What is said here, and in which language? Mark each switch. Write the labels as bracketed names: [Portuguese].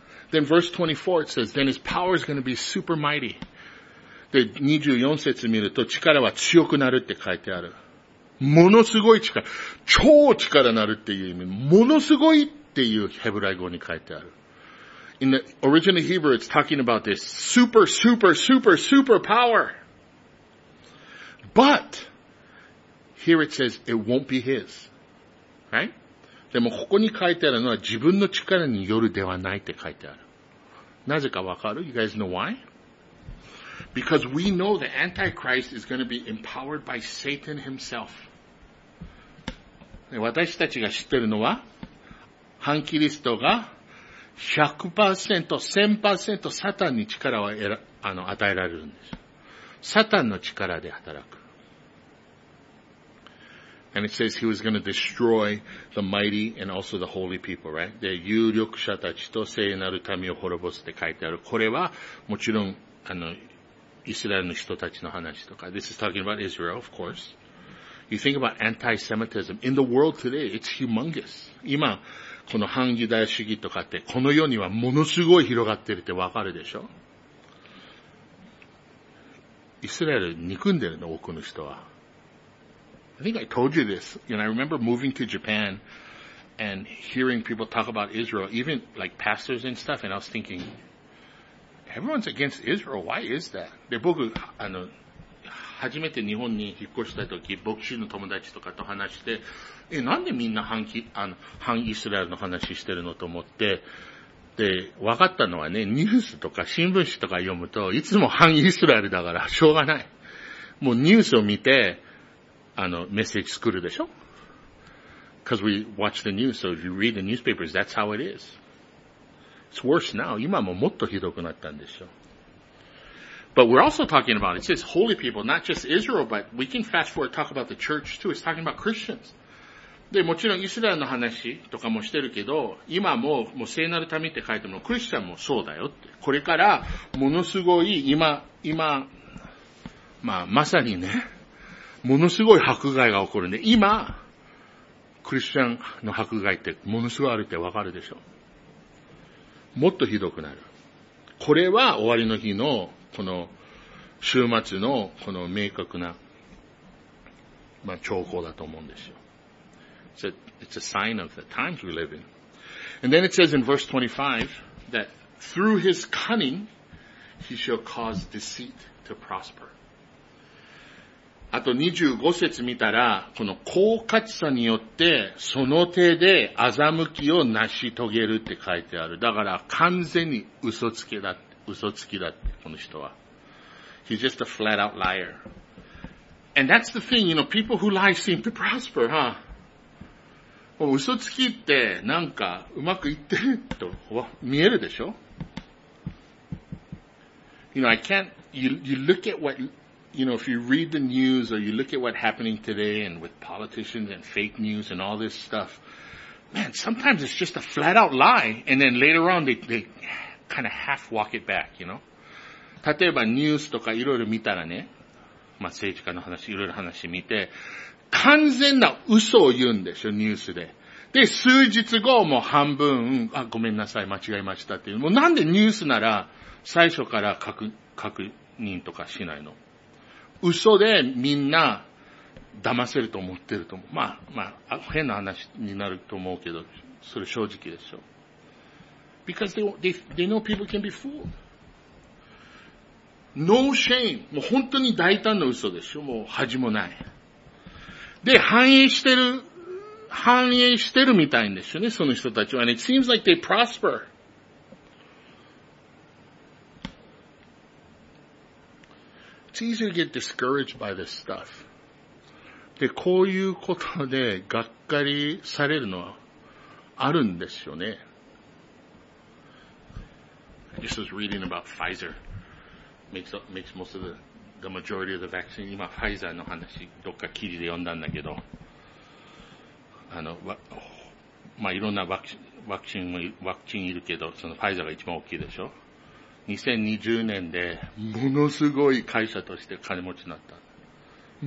[English] Then verse 24 it says, then his power is going to be super mighty. [Japanese] で、24節見ると力は強くなるって書いてある。ものすごい力。超力なるっていう意味。ものすごいっていうヘブライ語に書いてある。 [English] In the original Hebrew it's talking about this super, super, super, super power. But, here it says, it won't be his. Right? [Japanese] でもここに書いてあるのは自分の力によるではないって書いてある。なぜかわかる? [English] You guys know why? Because we know the Antichrist is going to be empowered by Satan himself. [Japanese] 私たちが知ってるのは、反キリストが 100%、1000% サタンに力を与えられるんです。サタンの力で働く。 [English] And it says he was going to destroy the mighty and also the holy people, right? [Japanese] で、有力者たちと聖なる民を滅ぼすって書いてある。これは、もちろん、イスラエルの人たちの話とか。 [English] This is talking about Israel, of course. You think about anti-Semitism. In the world today, it's humongous. [Japanese] 今、この反ユダヤ主義とかって、この世にはものすごい広がってるってわかるでしょ? イスラエル憎んでるの、多くの人は。 [English] I think I told you this. You know, I remember moving to Japan and hearing people talk about Israel, even like pastors and stuff, and I was thinking... Everyone's against Israel. Why is that? [Japanese] で、僕、初めて日本に引っ越したとき、牧師の友達とかと話して、え、なんでみんな反イスラエルの話してるのと思って、で、わかったのはね、ニュースとか新聞紙とか読むと、いつも反イスラエルだから、しょうがない。もうニュースを見て、メッセージ作るでしょ? [English] Because we watch the news, so if you read the newspapers, that's how it is. It's worse now. [Japanese] 今ももっとひどくなったんでしょう。 [English] But we're also talking about, it says holy people, not just Israel, but we can fast forward talk about the church too. It's talking about Christians. [Japanese] で、もちろんイスラエルの話とかもしてるけど、今も、もう聖なる民って書いてもクリスチャンもそうだよって。これから、ものすごい、今、まあ、まさにね、ものすごい迫害が起こるんで、今、クリスチャンの迫害ってものすごいあるってわかるでしょう。もっとひどくなる。これは終わりの日のこの週末のこの明確なまあ兆候だと思うんですよ。 [English] It's a sign of the times we live in. And then it says in verse 25 that through his cunning he shall cause deceit to prosper. [Japanese] あと25節見たらこの狡猾さによってその手で欺きを成し遂げるって書いてある。だから完全に嘘つきだってこの人は。 [English] He's just a flat out liar. And that's the thing, you know, people who lie seem to prosper, huh? [Japanese] 嘘つきってなんかうまくいってると見えるでしょ? [English] You know, you look at what,You know, if you read the news or you look at what's happening today and with politicians and fake news and all this stuff, man, sometimes it's just a flat out lie and then later on they kind of half walk it back, you know? [Japanese] 例えばニュースとかいろいろ見たらね、まあ、政治家の話、いろいろ話見て、完全な嘘を言うんでしょ、ニュースで。で、数日後もう半分、あ、ごめんなさい、間違えましたっていう。もうなんでニュースなら最初から確認とかしないの? 嘘でみんな騙せると思ってると思う。まあ、変な話になると思うけど、それ正直でしょ。 [English] Because they know people can be fooled.No shame. [Japanese] もう本当に大胆な嘘でしょ。もう恥もない。で、反映してるみたいんですよね、その人たちは。 [English] And it seems like they prosper. It's easy to get discouraged by this stuff. [Japanese] で、こういうことでがっかりされるのはあるんですよね。 [English] I just was reading about Pfizer. Makes most of the majority of the vaccine. [Japanese] 今、ファイザーの話、どっか記事で読んだんだけど、まあ、いろんなワクチンいるけど、そのファイザーが一番大きいでしょ。 2020年でものすごい会社として金持ちになった。